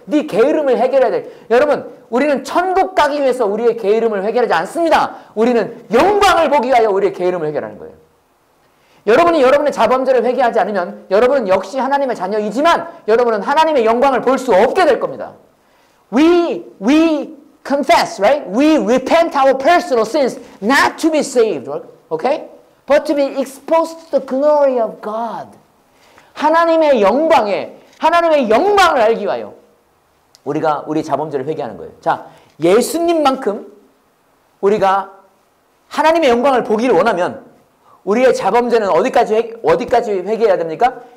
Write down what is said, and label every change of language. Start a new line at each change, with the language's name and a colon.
Korean: 네 게으름을 해결해야 돼. 여러분 우리는 천국 가기 위해서 우리의 게으름을 해결하지 않습니다. 우리는 영광을 보기 위하여 우리의 게으름을 해결하는 거예요. 여러분이 여러분의 자범죄를 회개하지 않으면 여러분은 역시 하나님의 자녀이지만 여러분은 하나님의 영광을 볼 수 없게 될 겁니다.
English: We confess, right? We repent our personal sins not to be saved, okay? But to be exposed to the glory of God.
Korean: 하나님의 영광에, 하나님의 영광을 알기 위하여 우리가 우리 자범죄를 회개하는 거예요. 자, 예수님만큼 우리가 하나님의 영광을 보기를 원하면 우리의 자범죄는 어디까지 회개해야 됩니까?